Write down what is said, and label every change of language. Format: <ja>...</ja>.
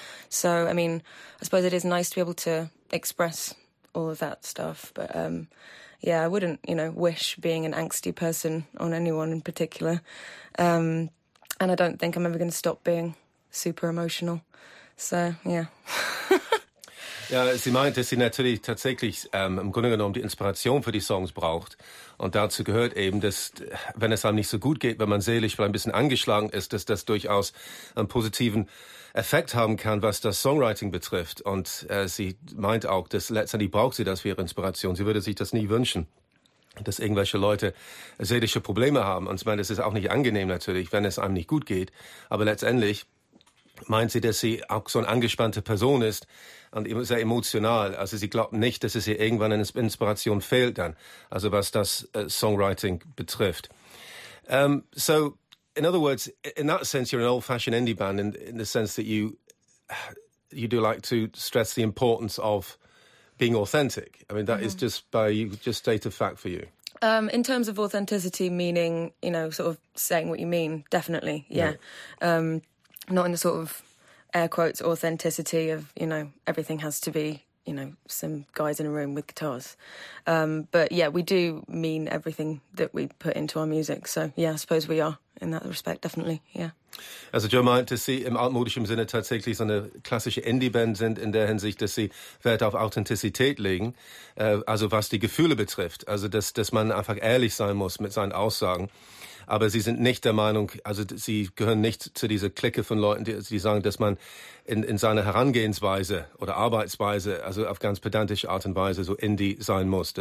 <en>So, I mean, I suppose it is nice to be able to express all of that stuff. But, I wouldn't, you know, wish being an angsty person on anyone in particular. And I don't think I'm ever going to stop being super emotional. So, yeah.</en> <de>Ja, sie meint, dass sie natürlich tatsächlich im Grunde genommen die Inspiration für die Songs braucht. Und dazu gehört eben, dass, wenn es einem nicht so gut geht, wenn man seelisch ein bisschen angeschlagen ist, dass das durchaus einen positiven Effekt haben kann, was das Songwriting betrifft. Und sie meint auch, dass letztendlich braucht sie das für ihre Inspiration. Sie würde sich das nie wünschen, dass irgendwelche Leute seelische Probleme haben. Und ich meine, das ist auch nicht angenehm natürlich, wenn es einem nicht gut geht. Aber letztendlich meint sie, dass sie auch so eine angespannte Person ist und sehr emotional. Also sie glaubt nicht, dass es ihr irgendwann eine Inspiration fehlt dann, also was das Songwriting betrifft.</de> <en>So, in other words, in that sense, you're an old-fashioned indie band in the sense that you do like to stress the importance of being authentic. I mean, that is just by you, just state of fact for you. In terms of authenticity, meaning, you know, sort of saying what you mean, definitely, yeah. not in the sort of air quotes authenticity of, you know, everything has to be, you know, some guys in a room with guitars. But yeah, we do mean everything that we put into our music. So yeah, I suppose we are in that respect, definitely, yeah.</en> <de>Also Joe meinte, Sie im altmodischen Sinne tatsächlich so eine klassische Indie-Band sind, in der Hinsicht, dass Sie Wert auf Authentizität legen, also was die Gefühle betrifft, also dass man einfach ehrlich sein muss mit seinen Aussagen. Aber Sie sind nicht der Meinung, also Sie gehören nicht zu dieser Clique von Leuten, die sagen, dass man in seiner Herangehensweise oder Arbeitsweise, also auf ganz pedantische Art und Weise, so Indie sein muss.</de>